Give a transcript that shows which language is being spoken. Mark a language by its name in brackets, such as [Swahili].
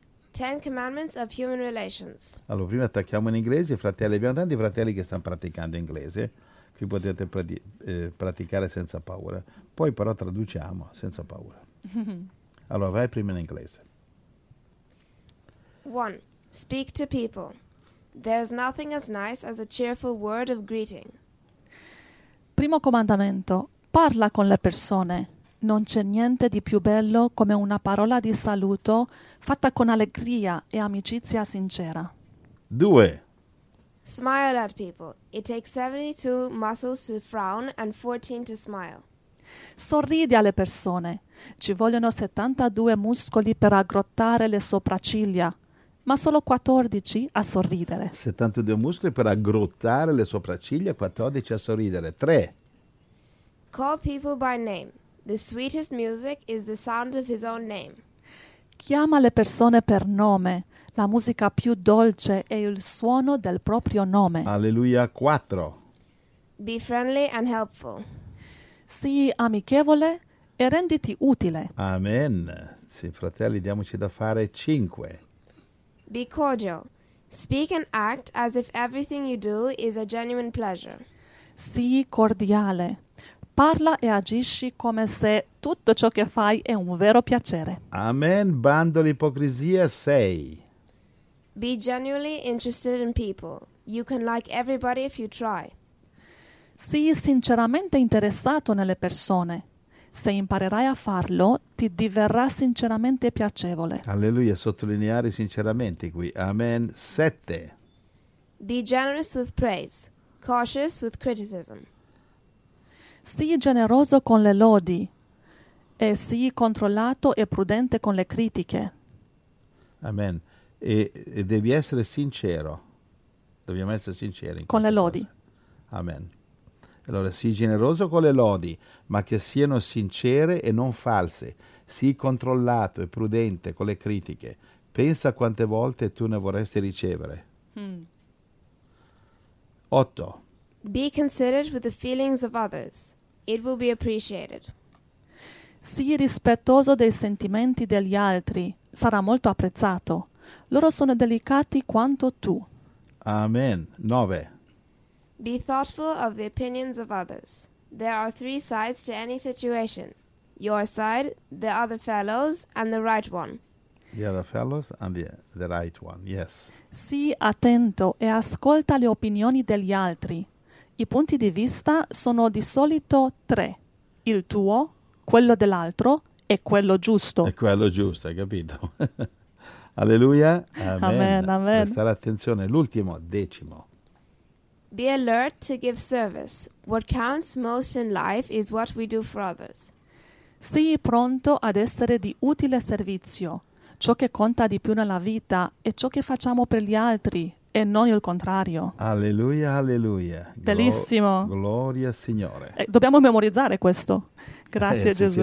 [English] Ten Commandments of Human Relations. [Italian] Allora, prima attacchiamo in inglese. Fratelli, abbiamo tanti fratelli che stanno praticando inglese. Qui potete praticare senza paura. Poi però traduciamo senza paura. Allora, vai prima in inglese. [English] 1. Speak to people. There's nothing as nice as a cheerful word of greeting. [Italian] Primo comandamento, parla con le persone. Non c'è niente di più bello come una parola di saluto fatta con allegria e amicizia sincera. [English] 2. Smile at people. It takes 72 muscles to frown and 14 to smile. [Italian] Sorridi alle persone. Ci vogliono 72 muscoli per aggrottare le sopracciglia, ma solo 14 a sorridere. 72 muscoli per aggrottare le sopracciglia, 14 a sorridere. 3. [English] Call people by name. The sweetest music is the sound of his own name. [Italian] Chiama le persone per nome. La musica più dolce è il suono del proprio nome. Alleluia, 4. [English] Be friendly and helpful. [Italian] Sii amichevole e renditi utile. Amen. Sì, fratelli, diamoci da fare 5. [English] Be cordial. Speak and act as if everything you do is a genuine pleasure. [Italian] Sii cordiale. Parla e agisci come se tutto ciò che fai è un vero piacere. Amen, bando l'ipocrisia 6. [English] Be genuinely interested in people. You can like everybody if you try. [Italian] Sii sinceramente interessato nelle persone. Se imparerai a farlo, ti diverrà sinceramente piacevole. Alleluia, sottolineare sinceramente qui. Amen, 7. [English] Be generous with praise. Cautious with criticism. [Italian] Sii generoso con le lodi e sii controllato e prudente con le critiche. Amen. E devi essere sincero. Dobbiamo essere sinceri in Con le queste lodi. cose. Amen. Allora, sii generoso con le lodi, ma che siano sincere e non false. Sii controllato e prudente con le critiche. Pensa quante volte tu ne vorresti ricevere. [English] 8. Be considerate with the feelings of others. It will be appreciated. [Italian] Sii rispettoso dei sentimenti degli altri. Sarà molto apprezzato. Loro sono delicati quanto tu. Amen. 9. [English] Be thoughtful of the opinions of others. There are three sides to any situation: your side, the other fellow's, and the right one. The other fellows and the right one, yes. [Italian] Sii attento e ascolta le opinioni degli altri. I punti di vista sono di solito tre: il tuo, quello dell'altro e quello È giusto. quello giusto, hai capito? Alleluia, amen. Amen, amen. Prestare attenzione. L'ultimo, decimo. [English] Be alert to give service. What counts most in life is what we do for others. [Italian] Sii pronto ad essere di utile servizio. Ciò che conta di più nella vita è ciò che facciamo per gli altri e e non il contrario. Alleluia, alleluia. Bellissimo. Gloria al Signore. Dobbiamo memorizzare questo. Grazie, Gesù.